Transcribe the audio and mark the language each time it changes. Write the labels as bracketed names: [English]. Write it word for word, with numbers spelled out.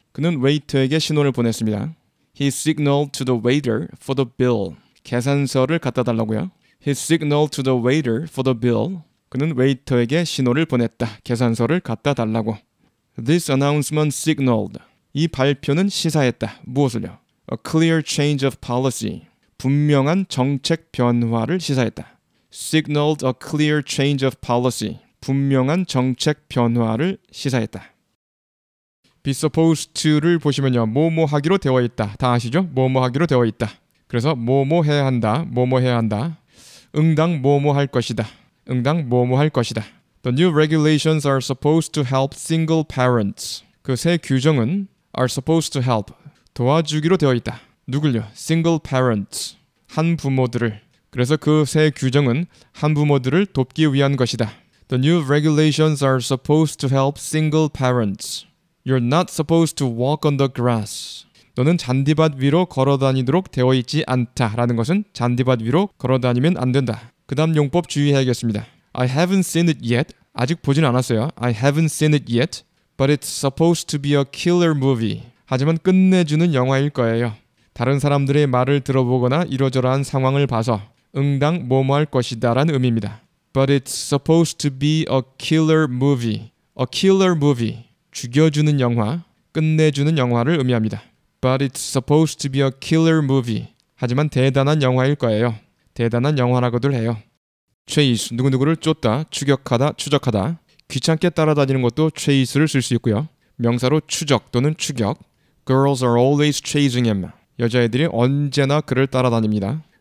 [Korean] 그는 웨이터에게 신호를 보냈습니다. [English] He signaled to the waiter for the bill. [Korean] 계산서를 갖다 달라고요. [English] He signaled to the waiter for the bill. [Korean] 그는 웨이터에게 신호를 보냈다. 계산서를 갖다 달라고. [English] This announcement signaled. [Korean] 이 발표는 시사했다. 무엇을요? [English] A clear change of policy. [Korean] 분명한 정책 변화를 시사했다. [English] Signaled a clear change of policy. [Korean] 분명한 정책 변화를 시사했다. Be supposed to를 보시면요. 뭐뭐 하기로 되어 있다. 다 아시죠? 뭐뭐 하기로 되어 있다. 그래서 뭐뭐 해야 한다. 뭐뭐 해야 한다. 응당 뭐뭐 할 것이다. 응당 뭐뭐 할 것이다. [English] The new regulations are supposed to help single parents. [Korean] 그 새 규정은 [English] are supposed to help. [Korean] 도와주기로 되어 있다. 누굴요? [English] Single parents. [Korean] 한 부모들을. 그래서 그 새 규정은 한 부모들을 돕기 위한 것이다. [English] The new regulations are supposed to help single parents. You're not supposed to walk on the grass. [Korean] 너는 잔디밭 위로 걸어다니도록 되어 있지 않다라는 것은 잔디밭 위로 걸어다니면 안 된다. 그 다음 용법 주의해야겠습니다. [English] I haven't seen it yet. [Korean] 아직 보진 않았어요. [English] I haven't seen it yet. But it's supposed to be a killer movie. [Korean] 하지만 끝내주는 영화일 거예요. 다른 사람들의 말을 들어보거나 이러저러한 상황을 봐서 응당 뭐뭐 할 것이다 라는 의미입니다. [English] But it's supposed to be a killer movie. A killer movie. [Korean] 죽여주는 영화, 끝내주는 영화를 의미합니다. [English] But it's supposed to be a killer movie. [Korean] 하지만 대단한 영화일 거예요. 대단한 영화라고들 해요. Chase, 누구누구를 쫓다, 추격하다, 추적하다. 귀찮게 따라다니는 것도 chase를 쓸 수 있고요. 명사로 추적 또는 추격. [English] Girls are always chasing him. [Korean] 여자애들이 언제나 그를 따라다닙니다.